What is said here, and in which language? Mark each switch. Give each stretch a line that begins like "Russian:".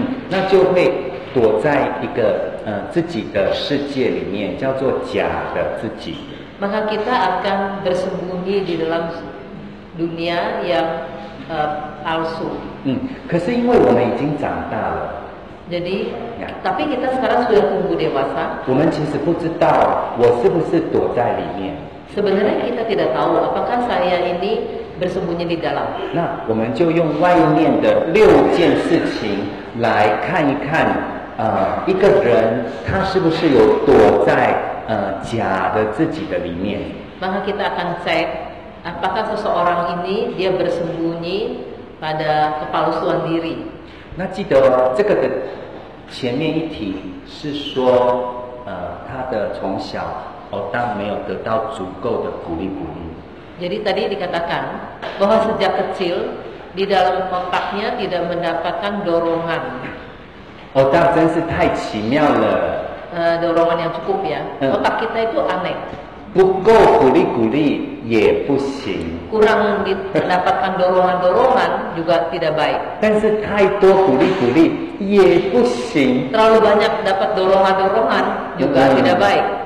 Chinese: 那就会躲在一个自己的世界里面，叫做假的自己。
Indonesian: Maka kita akan bersembunyi di dalam dunia yang palsu.
Chinese: 可是因为我们已经长大了。
Indonesian: Jadi, tapi kita sekarang sudah tumbuh dewasa.
Chinese: 我们其实不知道我是不是躲在里面。
Indonesian: Sebenarnya kita tidak tahu apakah saya ini bersembunyi di dalam.
Chinese: 那我们就用外面的六件事情来看一看。一个人他是不是有躲在假的自己的里面？
Indonesian: Maka kita akan cek apakah seseorang ini dia bersembunyi pada kepalsuan diri.
Chinese: 那记得这个的前面一题是说他的从小otak没有得到足够的鼓励鼓励。
Indonesian: Jadi tadi dikatakan bahwa sejak kecil di dalam otaknya tidak mendapatkan dorongan.
Chinese: Otak 真是太奇妙了。
Indonesian: Dorongan yang cukup ya. Otak kita itu aneh.
Chinese: 不够鼓励鼓励也不行。
Indonesian: Kurang mendapatkan dorongan-dorongan juga tidak baik.
Chinese: 但是太多鼓励鼓励也不行。
Indonesian: Terlalu banyak dapat dorongan-dorongan juga tidak baik.